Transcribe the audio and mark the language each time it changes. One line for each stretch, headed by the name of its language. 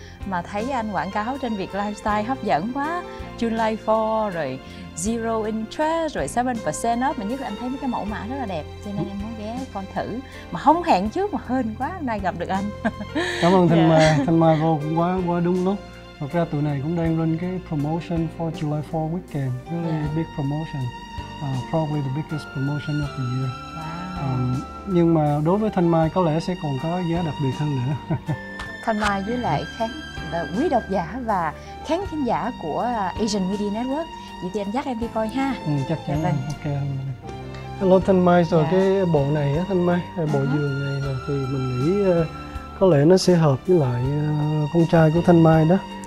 Vietnamese: Mà thấy anh quảng cáo trên Việt Lifestyle hấp dẫn quá, July 4 rồi zero interest rồi 7% off, mà nhất là anh thấy mấy cái mẫu mã rất là đẹp, cho nên em muốn ghé con thử. Mà không hẹn trước mà hên quá hôm nay gặp được anh. Cảm ơn Thanh Mai. Thanh Mai vô cũng quá đúng lúc. Thật ra tụi này cũng đang run cái
English: promotion for July 4 weekend, really big promotion, probably the biggest promotion of the year.
Vietnamese: Nhưng mà đối với Thanh Mai có lẽ sẽ còn có giá đặc biệt hơn nữa. Thanh Mai với lại khán quý độc giả và khán thính giả của Asian Media Network, vậy thì anh dắt em đi coi ha. Chắc chắn. Dạ, ok. Hello Thanh Mai, rồi cái bộ này á Thanh Mai, bộ giường này là thì mình nghĩ có lẽ nó sẽ hợp với lại con trai của Thanh Mai đó.